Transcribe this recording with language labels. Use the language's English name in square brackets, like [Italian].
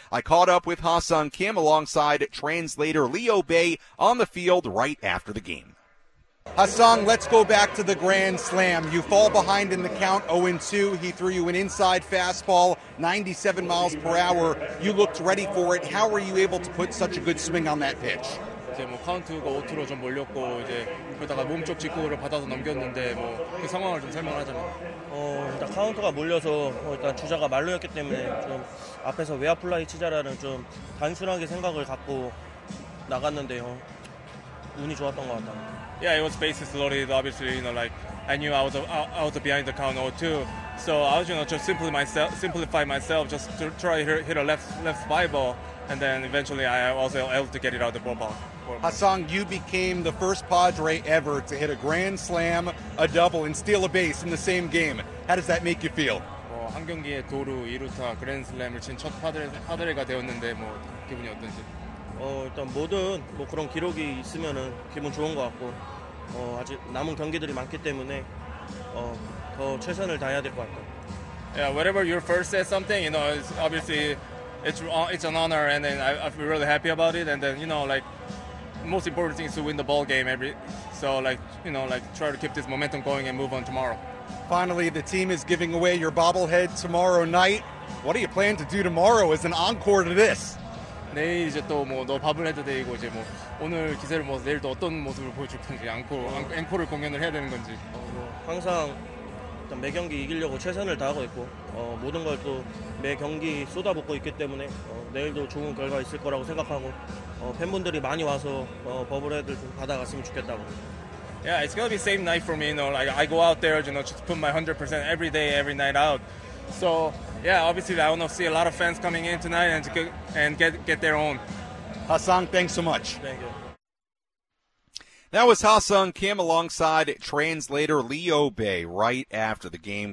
[English] I caught up with Ha-sung Kim alongside translator Leo Bay on the field right after the game. Ha-sung, let's go back to the Grand Slam. You fall behind in the count 0-2. He threw you an inside fastball, 97 miles per hour. You looked ready for it. How were you able to put such a good swing on that pitch? [Korean] 뭐 카운트가 오투로 좀 몰렸고 이제 그러다가 몸쪽 직구를 받아서 넘겼는데 뭐 그 상황을 좀 설명하자면 일단 카운트가 몰려서 일단 주자가 말로였기 때문에 좀 앞에서 외야플라이 치자라는 좀 단순하게 생각을 갖고 나갔는데요. 운이 좋았던 것 같아요. [English] Yeah, it was bases loaded, obviously, you know, like, I knew I was behind the count 0-2, so I was, you know, just simplify myself, just to try to hit a left fly ball, and then eventually I was able to get it out of the ballpark. Ha-sung, you became the first Padre ever to hit a grand slam, a double, and steal a base in the same game. How does that make you feel? [Korean] 한 경기에 도루, 2루타, 그랜슬램을 친 첫 파드레가 되었는데, 뭐, 기분이 어떤지. 일단 모든 뭐 그런 기록이 있으면은 기분 좋은 것 같고 아직 남은 경기들이 많기 때문에 더 최선을 다해야 될 것 같다. [English] Yeah, whenever you first said something, you know, it's obviously it's an honor, and then I feel really happy about it. And then you know, like most important thing is to win the ball game every. So like you know, like try to keep this momentum going and move on tomorrow. Finally, the team is giving away your bobblehead tomorrow night. What do you plan to do tomorrow as an encore to this? [Korean] 내일 이제 또 뭐 너 바블헤드 데이고 이제 뭐 오늘 기세를 뭐 내일 또 어떤 모습을 보여줄 건지 앵콜을 공연을 해야 되는 건지 뭐 항상 일단 매 경기 이기려고 최선을 다하고 있고 모든 걸 또 매 경기 쏟아붓고 있기 때문에 내일도 좋은 결과 있을 거라고 생각하고 팬분들이 많이 와서 바블헤드를 좀 받아갔으면 좋겠다고. [English] Yeah, it's gonna be same night for me. You know, like I go out there, you know, just put my 100% every day, every night out. So. Yeah, obviously, I want to see a lot of fans coming in tonight and get their own. Ha-sung, thanks so much. Thank you. That was Ha-sung Kim alongside translator Leo Bay right after the game.